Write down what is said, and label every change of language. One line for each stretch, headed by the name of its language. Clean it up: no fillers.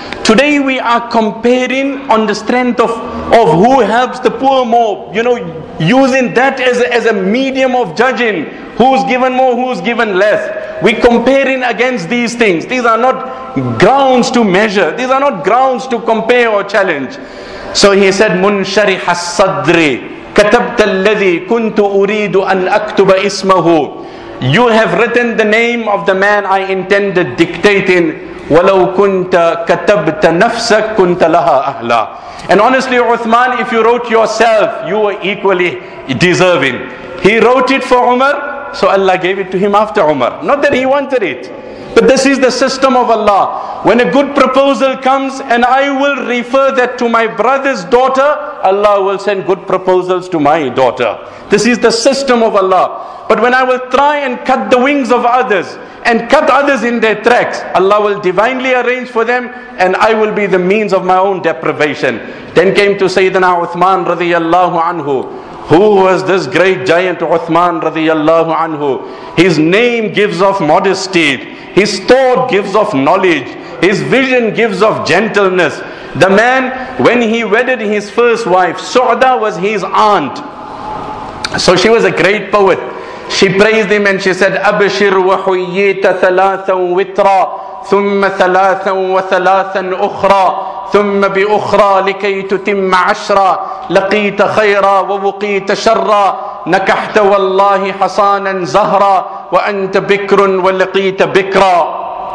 English: Today we are comparing on the strength of who helps the poor more. You know, using that as a medium of judging. Who's given more, who's given less. We're comparing against these things. These are not grounds to measure. These are not grounds to compare or challenge. So he said,
Arabic: مُنْشَرِحَ الصَّدْرِ كَتَبْتَ الَّذِي كُنْتُ أُرِيدُ أَنْ أَكْتُبَ إِسْمَهُ.
English: You have written the name of the man I intended dictating.
Arabic: وَلَوْ كُنْتَ كَتَبْتَ نَفْسَكْ كُنْتَ لَهَا أَهْلًا.
English: And honestly, Uthman, if you wrote yourself, you were equally deserving. He wrote it for Umar, so Allah gave it to him after Umar. Not that he wanted it. But this is the system of Allah. When a good proposal comes and I will refer that to my brother's daughter, Allah will send good proposals to my daughter. This is the system of Allah. But when I will try and cut the wings of others and cut others in their tracks, Allah will divinely arrange for them and I will be the means of my own deprivation. Then came to Sayyidina Uthman radiyallahu anhu. Who was this great giant Uthman radiyallahu anhu? His name gives off modesty. His thought gives off knowledge. His vision gives off gentleness. The man, when he wedded his first wife, Su'da was his aunt. So she was a great poet. She praised him and she said,
Arabic: أَبْشِرْ وَحُيِّيْتَ ثَلَاثًا وِتْرًا ثُمَّ ثَلَاثًا وَثَلَاثًا أُخْرًا ثُمَّ بِأُخْرَى لِكَيْ تُتِمَّ عَشْرًا لَقِيْتَ خَيْرًا وَوُقِيْتَ شَرًّا نَكَحْتَ وَاللَّهِ حَصَانًا زَهْرًا وَأَنْتَ بِكْرٌ وَلَقِيْتَ بِكْرًا.